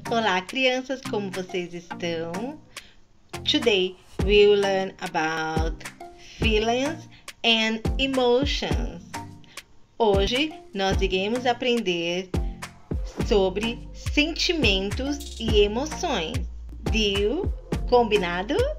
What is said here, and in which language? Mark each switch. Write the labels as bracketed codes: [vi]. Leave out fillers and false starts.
[pt] Olá, crianças, como vocês estão? [en] Today, we will learn about feelings and emotions. [pt] Hoje, nós iremos aprender sobre sentimentos e emoções. [en] Deal? [pt] Combinado?